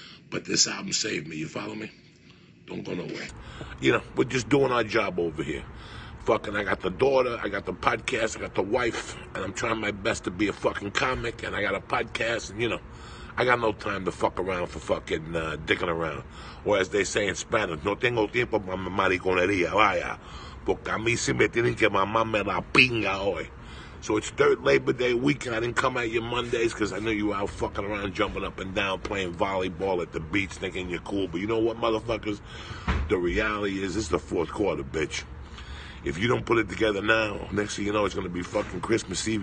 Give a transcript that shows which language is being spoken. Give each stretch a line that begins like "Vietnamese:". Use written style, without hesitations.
English: But this album saved me. You follow me? Don't go nowhere. You know, we're just doing our job over here. Fucking, I got the daughter, I got the podcast, I got the wife, and I'm trying my best to be a fucking comic, and I got a podcast, and you know, I got no time to fuck around for fucking dicking around. Or as they say in Spanish,
Spanish: no tengo tiempo para mi mariconería, vaya, porque a mí se me tienen que mamarme la pinga hoy.
English: So it's third Labor Day weekend. I didn't come at you Mondays because I knew you were out fucking around, jumping up and down, playing volleyball at the beach, thinking you're cool. But you know what, motherfuckers? The reality is, it's the fourth quarter, bitch. If you don't put it together now, next thing you know, it's going to be fucking Christmas Eve.